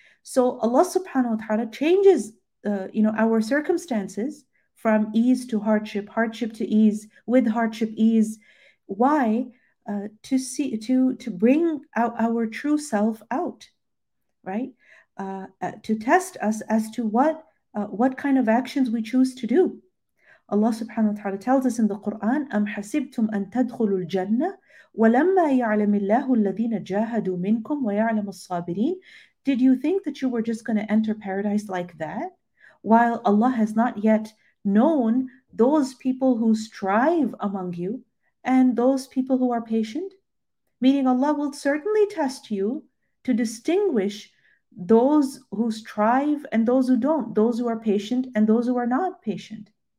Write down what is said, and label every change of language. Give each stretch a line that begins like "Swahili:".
English: So Allah subhanahu wa ta'ala changes our circumstances from ease to hardship, hardship to ease, with hardship ease. Why? To bring our true self out, right? To test us as to what kind of actions we choose to do. Allah subhanahu wa ta'ala tells us in the Quran,
Arabic: أَمْ حَسِبْتُمْ أَن تَدْخُلُوا الْجَنَّةِ وَلَمَّا يَعْلَمِ اللَّهُ الَّذِينَ جَاهَدُوا مِنْكُمْ وَيَعْلَمُ الصَّابِرِينَ.
English: Did you think that you were just going to enter paradise like that? While Allah has not yet known those people who strive among you and those people who are patient? Meaning Allah will certainly test you to distinguish those who strive and those who don't, those who are patient and those who are not patient.